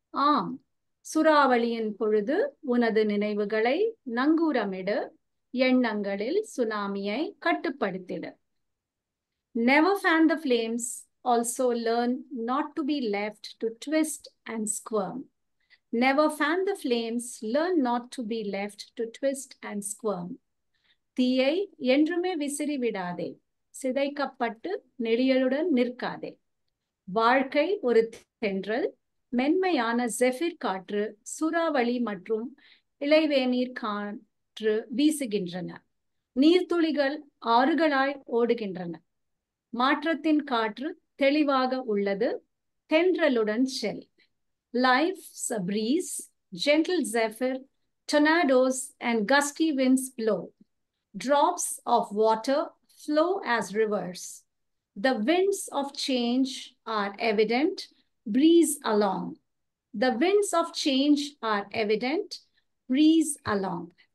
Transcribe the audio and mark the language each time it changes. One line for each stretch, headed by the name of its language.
Tamil: ஆம், சுறாவளியின் பொழுது உனது நினைவுகளை நங்கூரமிடு. எண்ணங்களில் சுனாமியை கட்டுப்படுத்திடு.
English: Never fan the flames, also learn not to be left to twist and squirm. Never fan the flames, learn not to be left to twist and squirm.
Tamil: தீயை என்றுமே விசிறிவிடாதே. சிதைக்கப்பட்டு நெளியலுடன் நிற்காதே. வாழ்க்கை ஒரு தென்றல், மென்மையான ஜெஃபிர் காற்று, சுறாவளி மற்றும் இலைவேநீர் காற்று வீசுகின்றன. நீர்த்துளிகள் ஆறுகளாய் ஓடுகின்றன. மாற்றத்தின் காற்று தெளிவாக உள்ளது. தென்றலுடன் செல்.
English: Life's a breeze, gentle zephyr, tornadoes and gusty winds blow. Drops of water flow as rivers. The winds of change are evident, breeze along. The winds of change are evident, breeze along.